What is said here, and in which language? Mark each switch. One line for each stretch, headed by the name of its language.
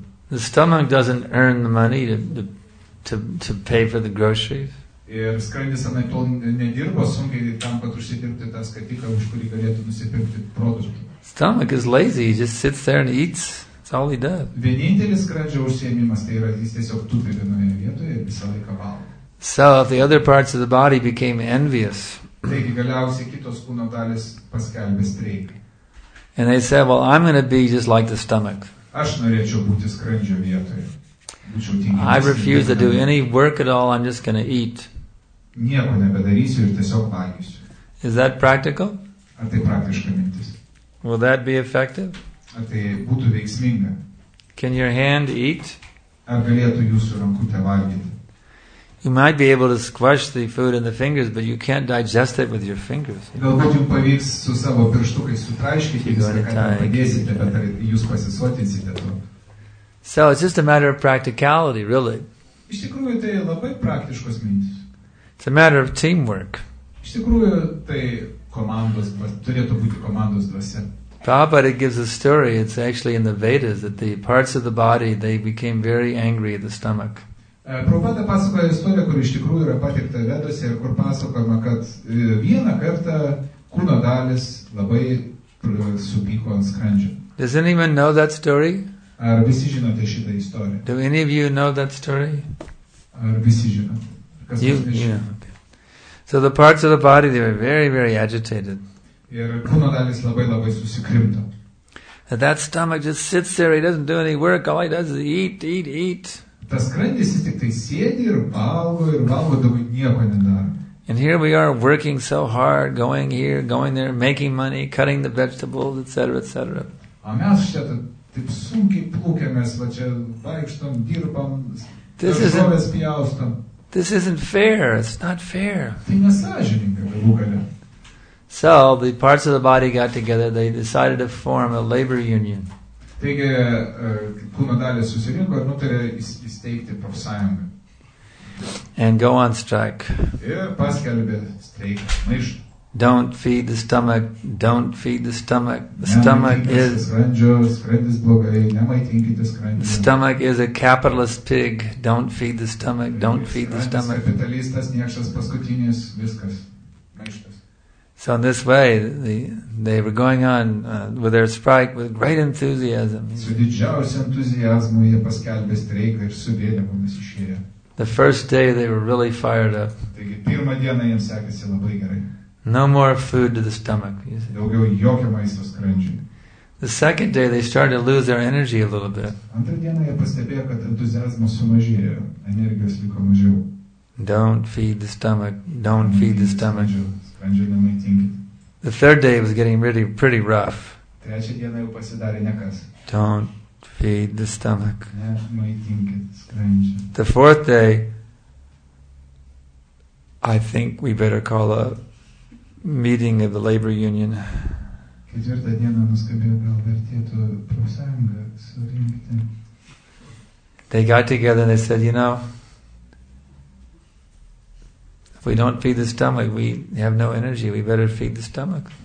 English: the stomach doesn't earn the money to pay for the groceries.
Lithuanian: Ir skrandis anaiptol nedirba sunkiai tam, kad užsidirbti tą skatiką, už kurį galėtų nusipirkti produktų.
English: Stomach is lazy, he just sits there and eats. That's all he does.
Lithuanian: Vienintelis skrandžio užsiėmimas, tai yra, jis tiesiog tupi vienoje vietoje ir visą laiką valgo.
English: So if the other parts of the body became envious.
Lithuanian: Taigi galiausiai kitos kūno dalys paskelbė streiką.
English: And they said, well, I'm going to be just like the stomach.
Lithuanian: Aš norėčiau būti skrandžio vietoje. Būčiau tinginis.
English: I refuse to do any work at all, I'm just going to eat.
Lithuanian: Nieko nebedarysiu ir tiesiog valgysiu.
English: Is that practical?
Lithuanian: Ar tai praktiška mintis?
English: Will that be effective?
Lithuanian: Ar tai būtų veiksminga?
English: Can your hand eat?
Lithuanian: Ar galėtų jūsų rankutė valgyti?
English: You might be able to squash the food in the fingers, but you can't digest it with your fingers.
Lithuanian: Galbūt jums pavyks su savo pirštukais sutraiškyti viską, kad padėsite, bet ar jūs pasisotinsite to?
English: So it's just a matter of practicality, really.
Lithuanian: Iš tikrųjų, tai labai praktiškos mintis.
English: It's a matter of teamwork.
Lithuanian: Iš tikrųjų, tai komandos, turėtų būti komandos dvasia.
English: Prabhupada gives a story, it's actually in the Vedas, that the parts of the body, they became very angry at the stomach.
Lithuanian: Prabhupada pasakoja istoriją, kuri iš tikrųjų yra pateikta Veduose ir kur pasakojama, kad vieną kartą kūno dalis labai supyko ant skrandžio.
English: Does anyone know that story?
Lithuanian: Ar visi žinote šitą istoriją?
English: Do any of you know that story?
Lithuanian: Ar visi žinote?
English: You know. So the parts of the body, they were very, very agitated.
Lithuanian: Ir kūno dalis labai, labai susikrimto.
English: That stomach just sits there, he doesn't do any work, all he does is eat, eat, eat.
Lithuanian: Tas skrandis tik tai sėdi ir valgo, daugiau nieko nedaro.
English: And here we are working so hard, going here, going there, making money, cutting the vegetables, etc., etc.
Lithuanian: A mes čia taip sunkiai plūkiamės, va čia vaikštom, dirbam, daržovės pjaustom.
English: This isn't fair, it's not fair.
Lithuanian: Tai nesąžininga, galų gale.
English: So the parts of the body got together, they decided to form a labor union.
Lithuanian: Taigi, kūno dalis susirinko ir nutarė įsteigti profsąjungą.
English: And go on strike.
Lithuanian: Ir paskelbė streiką, maišą.
English: Don't feed the stomach, don't feed the stomach. The stomach is
Lithuanian: skrandis blogai, nemaitinkite skrandį.
English: The stomach is a capitalist pig, don't feed the stomach, don't feed the stomach.
Lithuanian: Kapitalistas niekšas paskutinis, viskas.
English: So in this way, they were going on with their strike with great enthusiasm.
Lithuanian: Su didžiausiu entuziazmu jie paskelbė streiką ir su vėliavomis išėjo.
English: The first day they were really fired up.
Lithuanian: Taigi pirmą dieną jiems sekėsi labai gerai.
English: No more food to the stomach. You see.
Lithuanian: Daugiau jokio maisto skrandžiui.
English: The second day they started to lose their energy a little bit.
Lithuanian: Antrą dieną jie pastebėjo, kad entuziazmas sumažėjo, energijos liko mažiau.
English: Don't feed the stomach, don't feed the stomach.
Lithuanian: Skrandžio nemaitinkite.
English: The third day was getting really pretty rough.
Lithuanian: Trečią dieną jau pasidarė nekas.
English: Don't feed the stomach.
Lithuanian: Nemaitinkite skrandžio.
English: The fourth day, I think we better call a meeting of the labor union.
Lithuanian: Ketvirtą dieną nuskambėjo, gal vertėtų profsąjungą surinkti.
English: They got together and they said, you know, if we don't feed the stomach, we have no energy. We better feed the stomach.